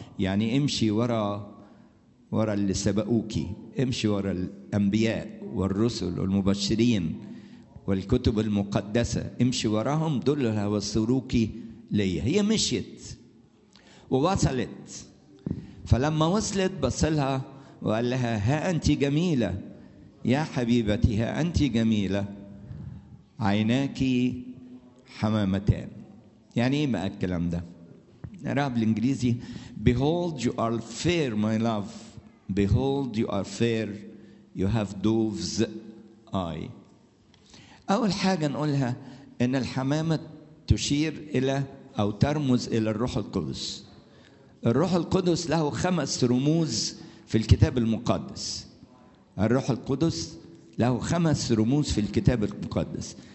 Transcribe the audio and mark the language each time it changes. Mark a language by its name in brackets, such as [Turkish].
[Arabic] يعني امشي ورا اللي سبقوك، امشي ورا الأنبياء والرسل والمبشرين والكتب المقدسة، امشي وراهم دلها وسروك لي. هي مشيت ووصلت، فلما وصلت بصلها وقال لها ها أنت جميلة يا حبيبتي، ها أنت جميلة، عيناك حمامتان. يعني ايه بقى الكلام ده؟ نقراها بالانجليزي: [English] Behold you are fair my love, behold you are fair, you have dove's eye. [Arabic] اول حاجه نقولها ان الحمامه تشير الى او ترمز الى الروح القدس. الروح القدس له 5 رموز في الكتاب المقدس. الروح القدس له 5 رموز في الكتاب المقدس.